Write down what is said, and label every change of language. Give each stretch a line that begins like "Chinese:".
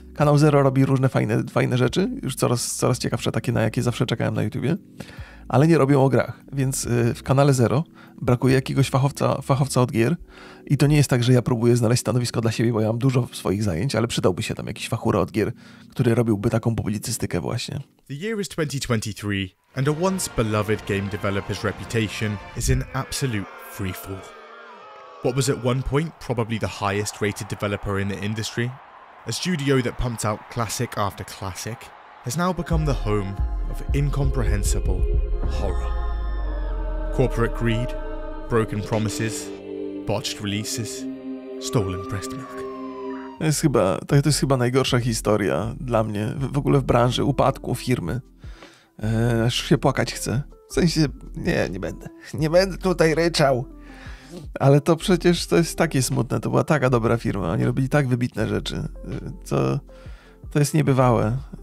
Polish: Kanał Zero robi różne fajne rzeczy, już coraz ciekawsze takie, na jakie zawsze czekałem na YouTubie, ale nie robią o grach, więc w kanale Zero brakuje jakiegoś fachowca od gier i to nie jest tak, że ja próbuję znaleźć stanowisko dla siebie, bo ja mam dużo swoich zajęć, ale przydałby się tam jakiś fachura od gier, który robiłby taką publicystykę właśnie.
English: The year is 2023 and a once beloved game developer's reputation is in absolute freefall. What was at one point probably the highest rated developer in the industry, a studio that pumped out classic after classic, has now become the home of incomprehensible horror. Corporate greed, broken promises, botched releases, stolen breast milk.
Polish: To jest chyba najgorsza historia dla mnie, w ogóle w branży, upadku firmy. Aż się płakać chcę. W sensie, nie będę. Nie będę tutaj ryczał. Ale to przecież to jest takie smutne. To była taka dobra firma. Oni robili tak wybitne rzeczy. To jest niebywałe.